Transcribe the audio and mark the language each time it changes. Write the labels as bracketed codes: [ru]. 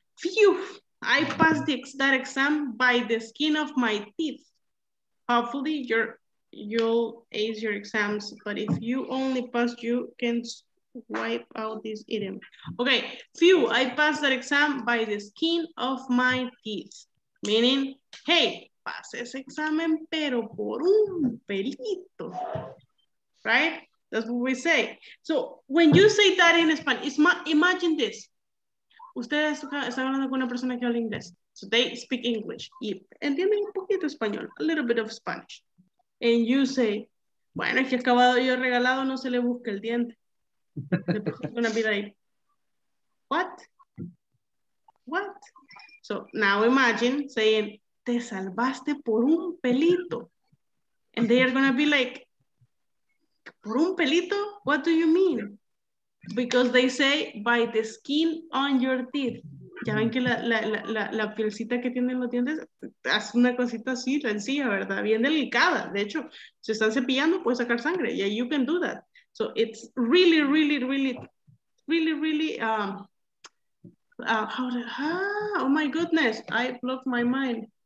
[en] Phew, I passed that exam by the skin of my teeth. Hopefully you'll ace your exams, but if you only pass, you can wipe out this item. Okay, phew, I passed that exam by the skin of my teeth. Meaning, hey, [es] pasé ese examen, pero por un pelito. [en] Right? That's what we say. So, when you say that in Spanish, imagine this. [es] Ustedes están hablando con una persona que habla inglés. [en] So, they speak English. [es] Y entienden un poquito español, [en] a little bit of Spanish. And you say, [es] bueno, es que acabado yo regalado, no se le busca el diente. [en] Gonna be like, what? So now imagine saying, [es] te salvaste por un pelito. [en] And they are gonna be like, [es] por un pelito? [en] What do you mean? Because they say, by the skin on your teeth. [es] Ya ven que la pielcita que tienen los dientes hace una cosita así, sencilla, ¿verdad? Bien delicada. De hecho, se están cepillando, puede sacar sangre. [en] Yeah, you can do that. So it's really, really, really, really, really, oh my goodness, I blocked my mind.